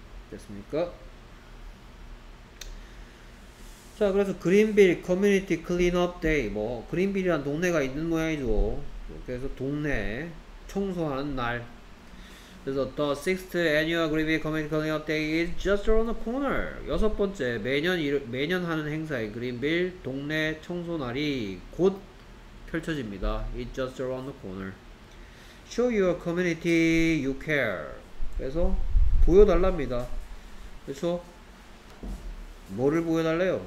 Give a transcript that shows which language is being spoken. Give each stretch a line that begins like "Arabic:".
Korean: 됐습니까? 자, 그래서 그린빌 커뮤니티 클린업 데이. 뭐, 그린빌이란 동네가 있는 모양이죠. 그래서 동네 청소하는 날. 그래서
English: The 6th Annual Greenville Community Cleanup Day is just around the corner.
Korean: 여섯 번째, 매년 하는 행사인 그린빌 동네 청소 날이 곧 펼쳐집니다.
English: It's just around the corner. Show your community you care.
Korean: 그래서 보여달랍니다. 그렇죠? 뭐를 보여달래요?